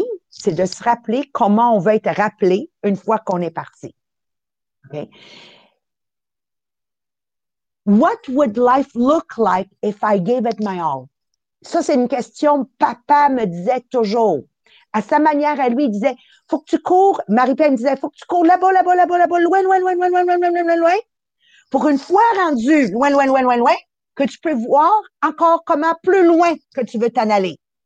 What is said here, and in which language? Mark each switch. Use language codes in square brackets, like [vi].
[fr] C'est de se rappeler comment on veut être rappelé une fois qu'on est parti. [en] Okay? What would life look like if I gave it my all? [fr] Ça, c'est une question que papa me disait toujours. À sa manière, à lui, il disait, faut que tu cours, Marie-Pierre me disait, faut que tu cours là-bas, loin, pour une fois rendu loin, que tu peux voir encore comment plus loin que tu veux t'en aller.